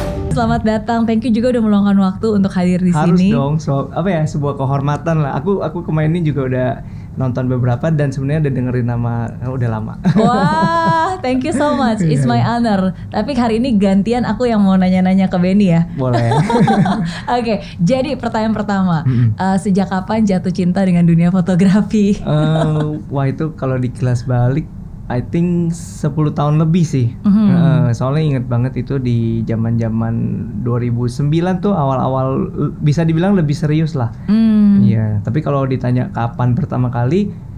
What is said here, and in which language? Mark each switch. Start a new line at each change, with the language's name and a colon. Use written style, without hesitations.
Indonesian: Selamat datang,
English: thank you
Indonesian: juga udah meluangkan waktu untuk hadir di harus sini. Harus dong, sebuah kehormatan lah. Aku kemarin ini juga udah nonton beberapa dan sebenarnya udah dengerin nama udah lama.
English: Wah, thank you so much, it's my honor.
Indonesian: Tapi hari ini gantian aku yang mau nanya-nanya ke Benny ya. Boleh. Okay, jadi pertanyaan pertama, sejak kapan jatuh cinta dengan dunia fotografi? itu kalau di kelas balik,
English: I think
Indonesian: 10 tahun lebih sih. Soalnya inget banget itu di zaman 2009 tuh awal-awal bisa dibilang lebih serius lah. Iya, tapi kalau ditanya kapan pertama kali,